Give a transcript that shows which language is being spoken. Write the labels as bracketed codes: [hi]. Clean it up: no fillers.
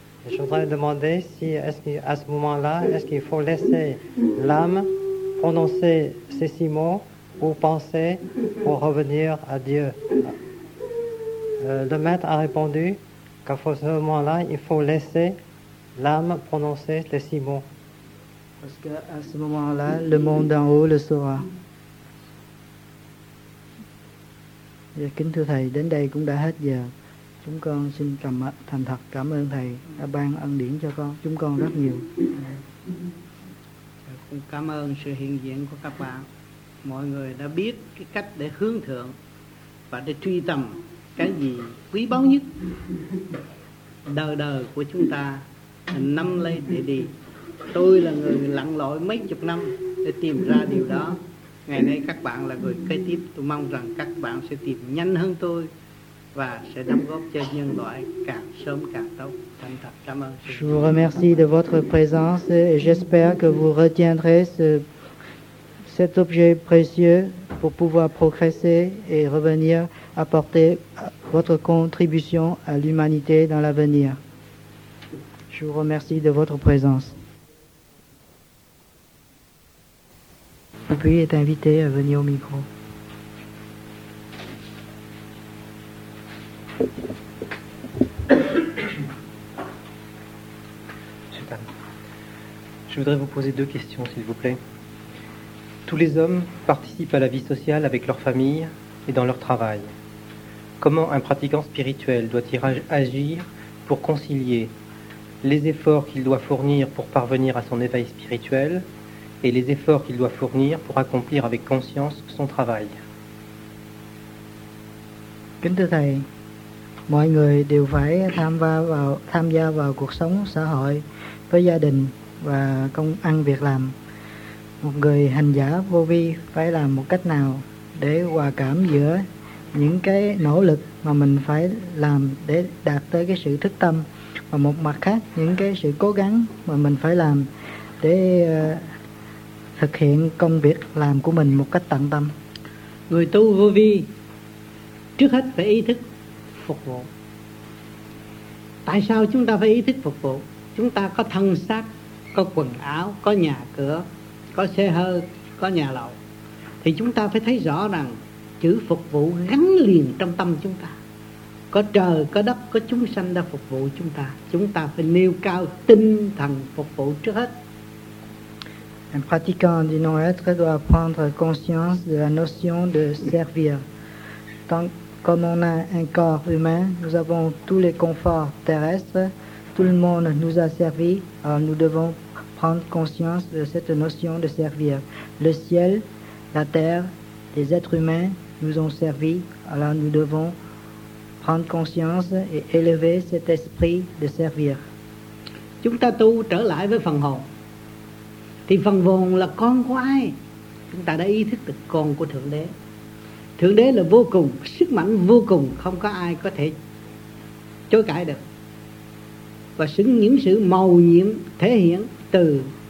[fr] Je voudrais demander si, est-ce qu'à ce moment-là, est-ce qu'il faut laisser l'âme prononcer ces six mots ou penser pour revenir à Dieu? Le maître a répondu qu'à ce moment-là, il faut laisser l'âme prononcer les six mots. Parce qu'à ce moment-là, le monde d'en haut le saura. [vi] Dạ, kính thưa Thầy, đến đây cũng đã hết giờ. Chúng con xin thành thật cảm ơn Thầy đã ban ân điển cho con, chúng con rất nhiều. Cảm ơn sự hiện diện của các bạn. Mọi người đã biết cái cách để hướng thượng và để truy tầm cái gì quý báu nhất. Đời đời của chúng ta năm lây để đi. Tôi là người lặn lội mấy chục năm để tìm ra điều đó. Ngày nay các bạn là người kế tiếp, tôi mong rằng các bạn sẽ tìm nhanh hơn tôi và sẽ đóng góp cho nhân loại càng sớm càng tốt. Thành thật cảm ơn. [fr] Je vous remercie de votre présence et j'espère que vous retiendrez cet objet précieux pour pouvoir progresser et revenir apporter votre contribution à l'humanité dans l'avenir. Je vous remercie de votre présence. Vous pouvez être invité à venir au micro. Je voudrais vous poser deux questions, s'il vous plaît. Tous les hommes participent à la vie sociale avec leur famille et dans leur travail. Comment un pratiquant spirituel doit-il agir pour concilier les efforts qu'il doit fournir pour parvenir à son éveil spirituel et les efforts qu'il doit fournir pour accomplir avec conscience son travail? [vi] Kính thưa Thầy, mọi người đều phải tham gia vào cuộc sống xã hội với gia đình và công ăn việc làm. Một người hành giả vô vi phải làm một cách nào để hòa cảm giữa những cái nỗ lực mà mình phải làm để đạt tới cái sự thức tâm, và một mặt khác những cái sự cố gắng mà mình phải làm để thực hiện công việc làm của mình một cách tận tâm. Người tu vô vi trước hết phải ý thức phục vụ. Tại sao chúng ta phải ý thức phục vụ? Chúng ta có thân xác, có quần áo, có nhà cửa, có xe hơi, có nhà lầu, thì chúng ta phải thấy rõ rằng chữ phục vụ gắn liền trong tâm chúng ta. Có trời, có đất, có chúng sanh đã phục vụ chúng ta. Chúng ta phải nêu cao tinh thần phục vụ trước hết. [fr] Un pratiquant du non-être doit prendre conscience de la notion de servir. Tant comme on a un corps humain, nous avons tous les conforts terrestres, tout le monde nous a servi, alors nous devons prendre conscience de cette notion de servir. Le ciel, la terre, les êtres humains nous ont servi, alors nous devons prendre conscience et élever cet esprit de servir. [vi] Chúng ta tu trở lại với phần hồn. Thì phần hồn là con của ai? Chúng ta đã ý thức được con của Thượng Đế. Thượng Đế là vô cùng, sức mạnh vô cùng, không có ai có thể chối cãi được. Và những sự màu nhiệm thể hiện từ